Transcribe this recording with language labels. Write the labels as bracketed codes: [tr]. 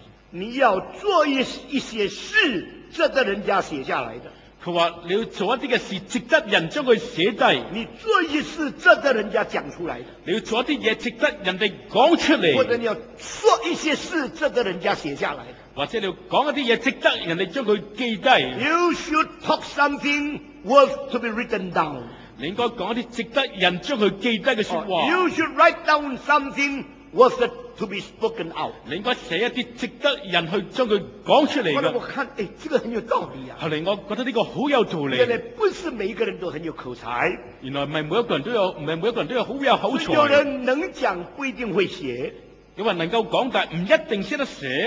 [zh] 你要做一些事，值得人家写下来的。他说你要做一些事值得人将他写低，你做一事值得人家讲出来的，你要做一些事值得人家讲出来，或者你要说一些事值得人家写下来的，或者你要说一些事值得人家将他记低。 [en] You should talk something worth to be written down， [zh] 你应该讲一些值得人将他记低的说话。 [en] You should write down something worth to be spoken out， [zh] 你应该写一些值得人去将它讲出来的。我看这个很有道理啊。后来我觉得这个很有道理。原来不是每一个人都很有口才。原来不是每一个人都有很有口才。有人能讲不一定会写。有人能够讲但不一定写得写。